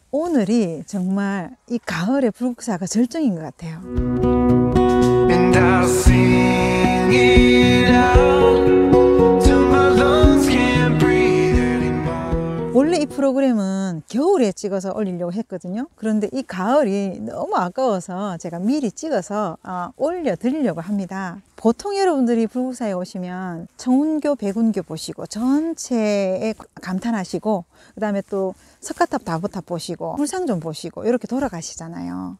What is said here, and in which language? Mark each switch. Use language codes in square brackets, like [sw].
[ko] 오늘이 정말 이 가을의 불국사가 절정인 것 같아요. [en] And I'll sing it out till my lungs can't breathe anymore. [ko] 원래 이 프로그램은 겨울에 찍어서 올리려고 했거든요. 그런데 이 가을이 너무 아까워서 제가 미리 찍어서 올려드리려고 합니다. 보통 여러분들이 불국사에 오시면 청운교, 백운교 보시고 전체에 감탄하시고 그다음에 또 석가탑, 나무탑 보시고 불상 좀 보시고 이렇게 돌아가시잖아요.